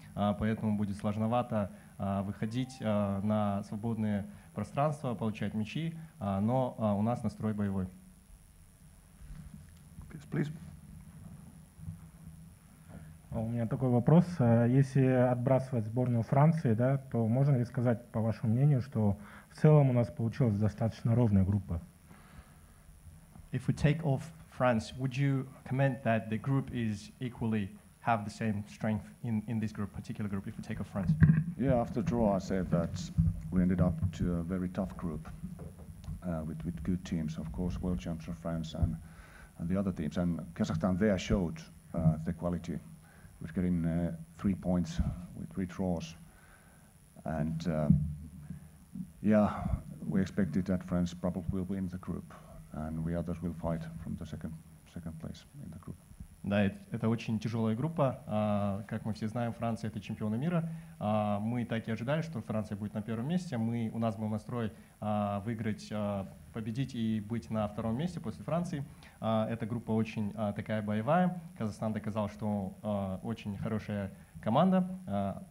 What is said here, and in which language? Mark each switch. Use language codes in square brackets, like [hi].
[ru] Поэтому будет сложновато выходить на свободное пространство, получать мячи, но у нас настрой боевой. [en] Yes, please. [ru] У меня такой вопрос. Если отбрасывать сборную Франции, да, то можно ли сказать, по вашему мнению, что в целом у нас получилась достаточно ровная группа? [en] If we take off France, would you comment that the group is equally have the same strength in this group, particular group, if we take off France? Yeah, after draw, I said that we ended up to a very tough group with good teams, of course, world champs of France and the other teams. And Kazakhstan there showed the quality with getting 3 points with 3 draws. And yeah, we expected that France probably will win the group and we others will fight from the second place in the group. [ru] Да, это очень тяжелая группа. Как мы все знаем, Франция — это чемпионы мира. Мы так и ожидали, что Франция будет на первом месте. У нас был настрой выиграть, победить и быть на втором месте после Франции. Эта группа очень такая боевая. Казахстан доказал, что очень хорошая команда.